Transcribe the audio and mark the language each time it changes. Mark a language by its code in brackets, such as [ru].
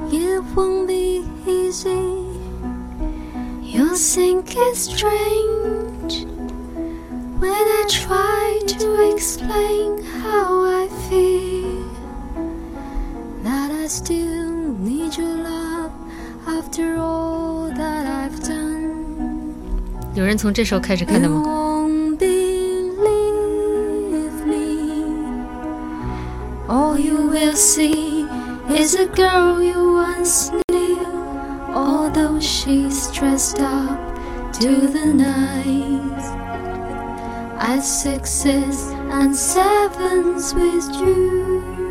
[zh] 夜晚里已经 [en] ，You think it's strange when I try to explain how I feel that I still need your love。 After all that I've done, [zh] 有人从这时候开始看的吗？ [en] Me, all you will see is a girl you once knew, although she's dressed up to the nines at sixes and sevens with you。